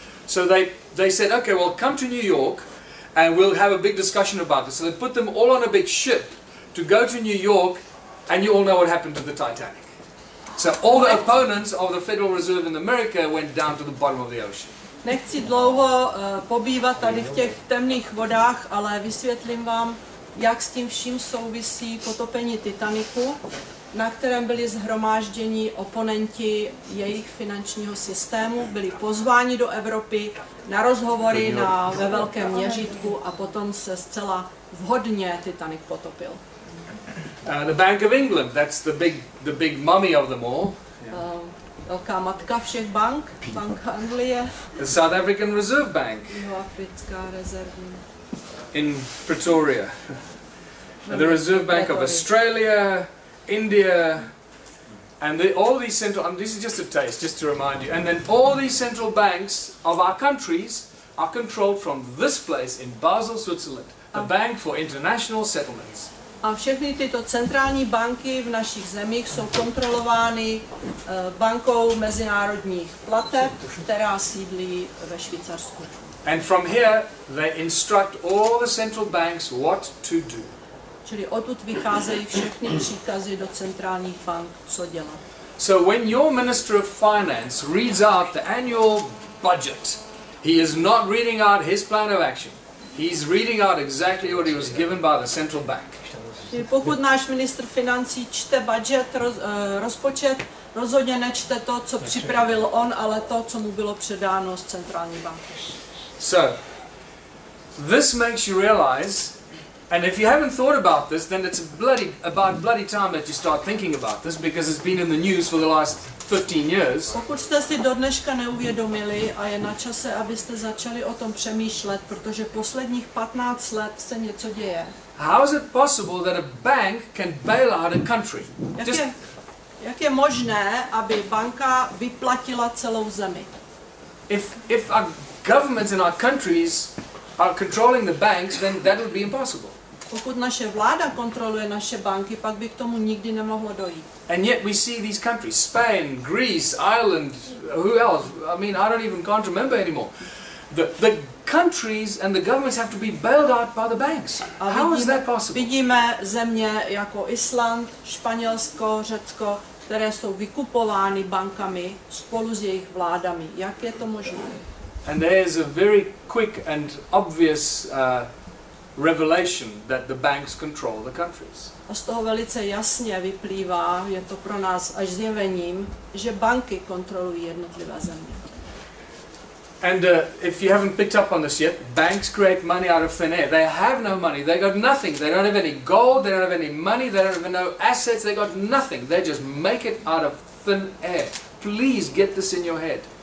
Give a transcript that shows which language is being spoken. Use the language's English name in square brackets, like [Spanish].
[English] So they said, okay, well, come to New York and we'll have a big discussion about this. So they put them all on a big ship to go to New York, and you all know what happened to the Titanic. So all the opponents of the Federal Reserve in America went down to the bottom of the ocean. [Czech] Nechci dlouho pobývat tady v těch temných vodách, ale vysvětlím vám, jak s tím vším souvisí potopení Titaniku, na kterém byli zhromážděni oponenti jejich finančního systému, byli pozváni do Evropy na rozhovory ve velkém měřítku a potom se zcela vhodně Titanic potopil. [English] The Bank of England, that's the big mummy of them all. [Czech] Velká matka všech bank, Banka Anglie. [English] The South African Reserve Bank. [Czech] Jihoafrická rezervní. [English] In Pretoria. The Reserve Bank of Australia. India, and the, all these central, and this is just a taste, just to remind you, and then all these central banks of our countries are controlled from this place in Basel, Switzerland, the Bank for International Settlements. [Czech] A všechny tyto centrální banky v našich zemích jsou kontrolovány bankou mezinárodních plateb, která sídlí ve Švýcarsku. [English] And from here, they instruct all the central banks what to do. [Czech] Čili odtud vycházejí všechny příkazy do centrálních bank, co dělat. [English] So when your minister of finance reads out the annual budget, he is not reading out his plan of action. He's reading out exactly what he was given by the central bank. [Czech] Pokud náš ministr financí čte budget, rozpočet, rozhodně nečte to, co připravil on, ale to, co mu bylo předáno z centrální banky. [English] So this makes you realize. And if you haven't thought about this, then it's about bloody time that you start thinking about this, because it's been in the news for the last 15 years. [Czech] Pokud jste si do dneška neuvědomili a je na čase, abyste začali o tom přemýšlet, protože posledních 15 let se něco děje. [English] How is it possible that a bank can bail out a country? [Czech] Jak je možné, aby banka vyplatila celou zemi? [English] If our governments in our countries are controlling the banks, then that would be impossible. [Czech] Pokud naše vláda kontroluje naše banky, pak by k tomu nikdy nemohlo dojít. [English] And yet we see these countries, Spain, Greece, Ireland, who else? I mean, I don't even can't remember anymore. The countries and the governments have to be bailed out by the banks. How is that possible? [Czech] Vidíme země jako Island, Španělsko, Řecko, které jsou vykupovány bankami spolu s jejich vládami. Jak je to možné? [English] And there is a very quick and obvious revelation that the banks control the countries. [Czech] A z toho velice jasně vyplývá, je to pro nás až zjevením, že banky kontrolují jednotlivé země. [English] And if you haven't picked up on this yet, banks create money out of thin air. They have no money. They got nothing. They don't have any gold. They don't have any money. They don't have no assets. They got nothing. They just make it out of thin air. Please get this in your head.